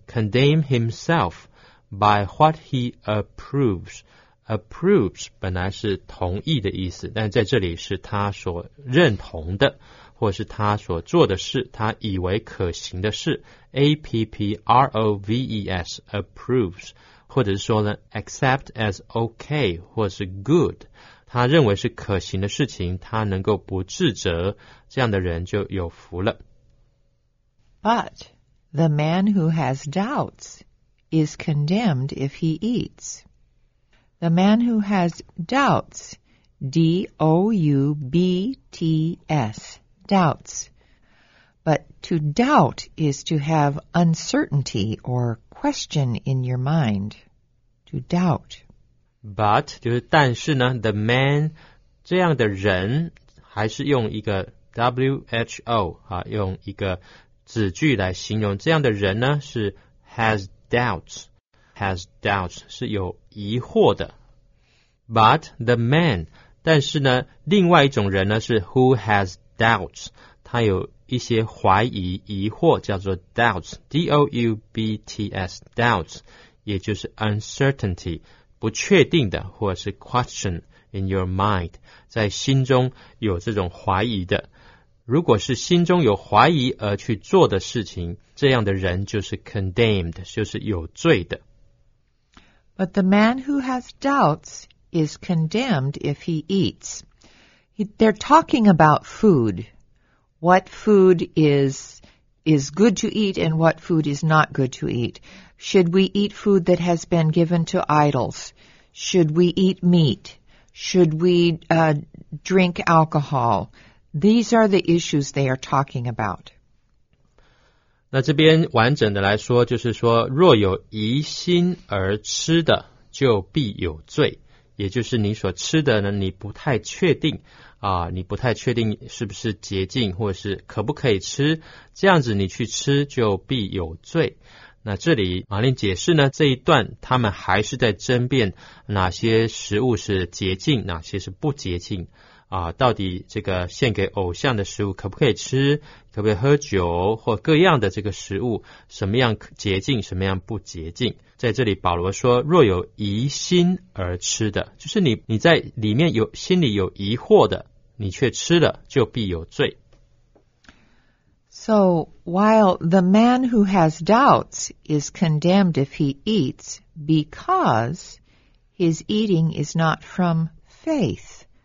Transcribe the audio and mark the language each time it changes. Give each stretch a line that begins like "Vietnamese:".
English: condemn himself by what he approves,
Chinese: approves 本来是同意的意思，但在这里是他所认同的或是他所做的事，他以为可行的事。 A-P-P-R-O-V-E-S approves, 或者是说呢
English: accept as okay
Chinese: 或是 good, 他认为是可行的事情，他能够不自责，这样的人就有福了。
English: But the man who has doubts is condemned if he eats. The man who has doubts, D-O-U-B-T-S,doubts. But to doubt is to have uncertainty or question in your mind. To doubt.
Chinese: But, 就是但是呢 the man, 这样的人还是用一个 W-H-O,、啊、用一个子句来形容这样的人呢是
English: has doubts.
Chinese: has doubts, 是有疑惑的。
English: But the man,
Chinese: 但是呢，另外一种人呢，是
English: who has doubts,
Chinese: 他有一些怀疑、疑惑，叫做 doubts, D-O-U-B-T-S, doubts, 也就是 uncertainty, 不确定的，或者是
English: question in your mind,
Chinese: 在心中有这种怀疑的。如果是心中有怀疑而去做的事情，这样的人就是 condemned, 就是有罪的。
English: But the man who has doubts is condemned if he eats. They're talking about food. What food is good to eat and what food is not good to eat? Should we eat food that has been given to idols? Should we eat meat? Should we drink alcohol? These are the issues they are talking about.
Chinese: 那这边完整的来说，就是说，若有疑心而吃的，就必有罪。也就是你所吃的呢，你不太确定啊，你不太确定是不是洁净，或是可不可以吃，这样子你去吃就必有罪。那这里马琳解释呢，这一段他们还是在争辩哪些食物是洁净，哪些是不洁净。啊，到底这个献给偶像的食物可不可以吃，可不可以喝酒，或各样的这个食物，什么样洁净，什么样不洁净。在这里保罗说，若有疑心而吃的，就是你在里面有心里有疑惑的，你却吃了，就必有罪。
English: So, while the man who has doubts is condemned if he eats, because his eating is not from faith.